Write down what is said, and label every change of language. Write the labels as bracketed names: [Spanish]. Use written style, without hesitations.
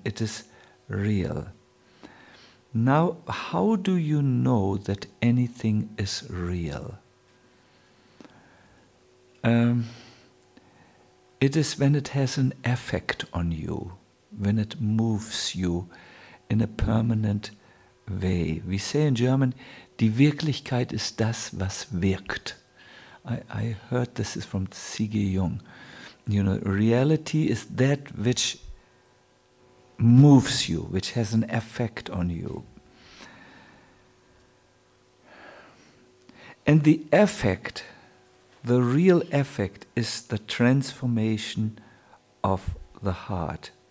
[English] It is real. Now, how do you know that anything is real? It is when it has an effect on you, when it moves you in a permanent way. We say in German, [German] die Wirklichkeit ist das, was wirkt. [English] I heard this is from C.G. Jung. You know, reality is that which moves you, which has an effect on you. And the effect, the real effect, is the transformation of the heart.